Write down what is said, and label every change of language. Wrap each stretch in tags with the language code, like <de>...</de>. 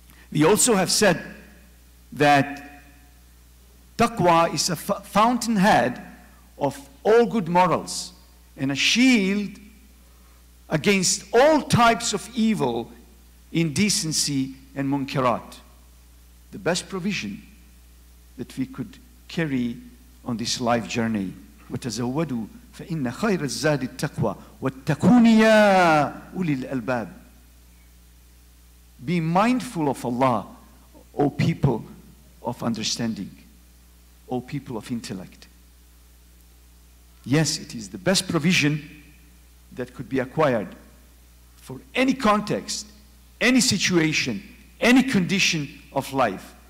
<en>We also have said that taqwa is a fountainhead of all good morals and a shield against all types of evil, indecency and munkarat. The best provision that we could carry on this life journey</en> <ar>وتزودوا فإن خير الزاد التقوى واتقون يا أولي الألباب.</ar> <en>Be mindful of Allah, O people of understanding, O people of intellect. Yes, it is the best provision that could be acquired for any context, any situation, any condition of life.</en>